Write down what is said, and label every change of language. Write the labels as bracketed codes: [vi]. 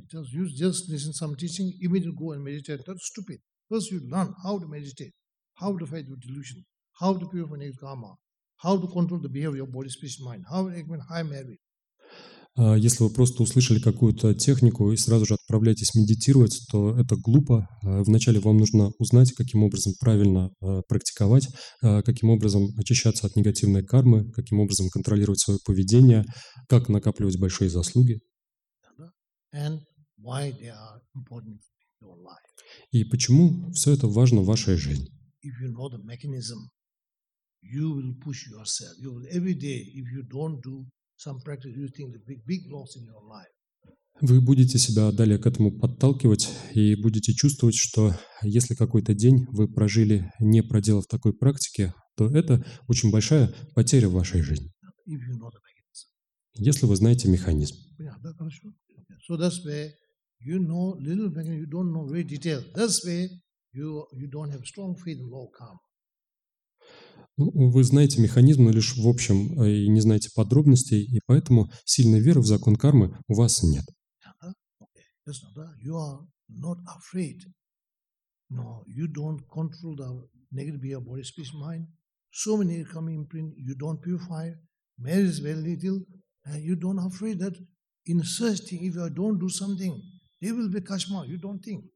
[en] Just listen to some teaching, immediately go and meditate. That's stupid. First you learn how to meditate, how to fight with delusion, how to purify negative karma, how to control the behavior of your body, speech, mind, how to make high merit. [ru] Если вы просто услышали какую-то технику и сразу же отправляетесь медитировать, то это глупо. Вначале вам нужно узнать, каким образом правильно практиковать, каким образом очищаться от негативной кармы, каким образом контролировать свое поведение, как накапливать большие заслуги. [en] And why they are important in your life. [ru] И почему все это важно в вашей жизни? [en] If you know the mechanism, you will push yourself. You will every day, if you don't do some practice, you think the big loss in your life. [ru] Вы будете себя далее к этому подталкивать и будете чувствовать, что если какой-то день вы прожили, не проделав такой практики, то это очень большая потеря в вашей жизни. [en] If you know the mechanism. [ru] Если вы знаете механизм. [en] Yeah, that's true. So that's where you know little mechanism, you don't know very detail. That's where you don't have strong faith in low karma. [ru] Ну, вы знаете механизм, но лишь в общем и не знаете подробностей, и поэтому сильной веры в закон кармы у вас нет. [en] You are not afraid. No, you don't control the negative behavior, body, speech, mind. So many come imprint, you don't purify, marriage is very little, and you don't afraid that in such thing, if you don't do something, there will be kashma, you don't think.